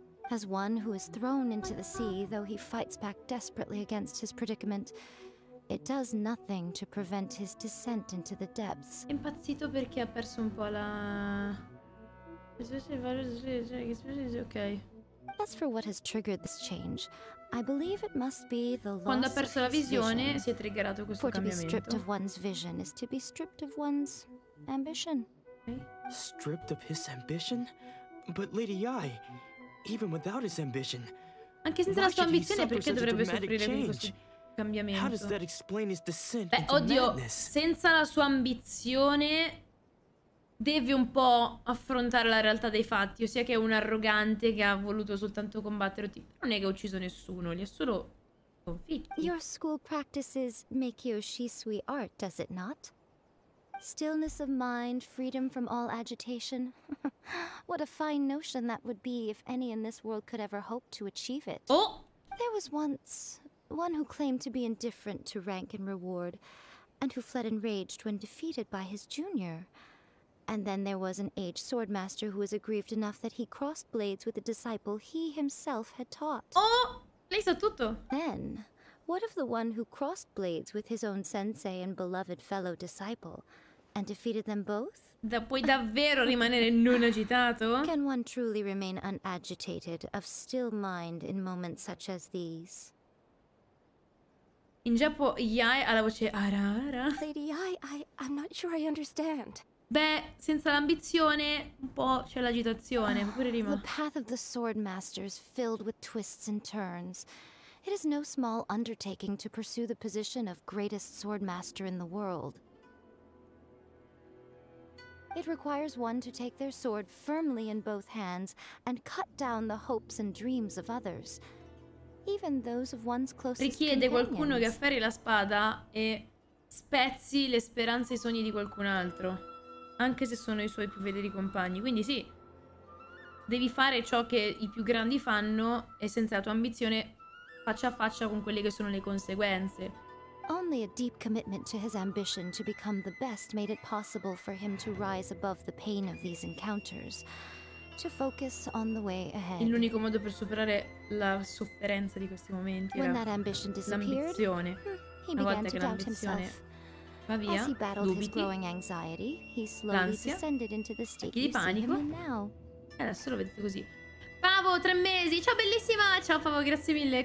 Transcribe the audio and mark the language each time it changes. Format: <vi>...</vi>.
<en>As one who is thrown into the sea, though he fights back desperately against his predicament, it does nothing to prevent his descent into the depths.</en> <it>Impazzito perché ha perso un po' la... Okay.</it> <en>As for what has triggered this change, I believe it must be the loss.</en> <it>Quando ha perso la visione, si è triggerato questo cambiamento.</it> <en>For to be stripped of one's vision is to be stripped of one's ambition. Okay. Stripped of his ambition? But Lady Yai... Even without his ambition,</en> <it>anche senza la sua ambizione, perché dovrebbe soffrire di questo cambiamento?</it> <en>How does that explain his descent?</en> <it>Beh, oddio, senza la sua ambizione deve un po' affrontare la realtà dei fatti, ossia che è un arrogante che ha voluto soltanto combattere. Non è che ha ucciso nessuno, li ha solo sconfitti.</it> <en>Your school practices make you Shisui art, does it not? Stillness of mind, freedom from all agitation. What a fine notion that would be if any in this world could ever hope to achieve it. Oh! There was once one who claimed to be indifferent to rank and reward, and who fled enraged when defeated by his junior. And then there was an aged swordmaster who was aggrieved enough that he crossed blades with a disciple he himself had taught.</en> <it>Oh! Lei sa tutto!</it> <en>Then, what of the one who crossed blades with his own sensei and beloved fellow disciple, and defeated them both?</en> <it>Da puoi davvero rimanere non agitato?</it> <en>Can one truly remain unagitated, of still mind in moments such as these?</en> <it>In Giappo, Yai ha la voce ara ara.</it> <en>Lady Yai, I'm not sure I understand.</en> <it>Beh, senza l'ambizione, un po' c'è l'agitazione, pure rima.</it> <en>The path of the swordmaster is filled with twists and turns. It is no small undertaking to pursue the position of greatest swordmaster in the world. It requires one to take their sword firmly in both hands and cut down the hopes and dreams of others, even those of one's closest companions.</en> <it>Richiede qualcuno che afferri la spada e spezzi le speranze e i sogni di qualcun altro, anche se sono i suoi più fedeli compagni. Quindi sì, devi fare ciò che i più grandi fanno e senza la tua ambizione faccia a faccia con quelle che sono le conseguenze.</it> <en>Only a deep commitment to his ambition to become the best made it possible for him to rise above the pain of these encounters, to focus on the way ahead.</en> <it>L'unico modo per superare la sofferenza di questi momenti era l'ambizione. Una volta che l'ambizione va via,</it> <en>as he battled his growing anxiety, he slowly descended into the state</en> <it>di panico. Adesso lo vedete così. Favo, 3 mesi, ciao bellissima, ciao Favo, grazie mille.</it>